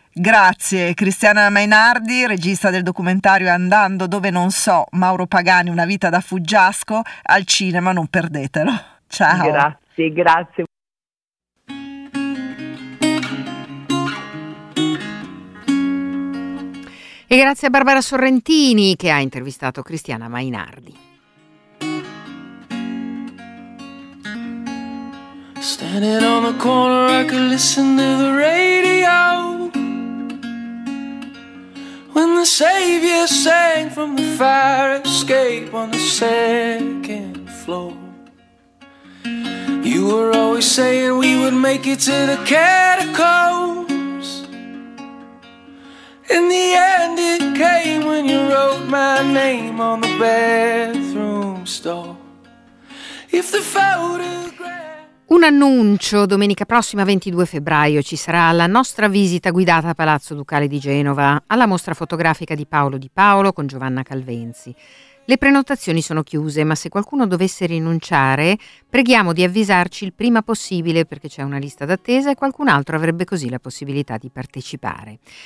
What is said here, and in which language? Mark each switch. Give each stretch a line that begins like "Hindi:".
Italian: Grazie Cristiana Mainardi, regista del documentario Andando dove non so, Mauro Pagani, una vita da fuggiasco, al cinema, non perdetelo. Ciao. Grazie, grazie. E grazie a Barbara Sorrentini che ha intervistato Cristiana Mainardi.
English: Standing on the corner, I could listen to the radio when the savior sang from the fire escape on the second floor. You were always saying we would make it to the catacombs. In the end it came when you wrote my name on the bathroom stall. If the photograph.
Italian: Un annuncio: domenica prossima 22 febbraio ci sarà la nostra visita guidata a Palazzo Ducale di Genova alla mostra fotografica di Paolo Di Paolo con Giovanna Calvenzi. Le prenotazioni sono chiuse, ma se qualcuno dovesse rinunciare, preghiamo di avvisarci il prima possibile perché c'è una lista d'attesa e qualcun altro avrebbe così la possibilità di partecipare.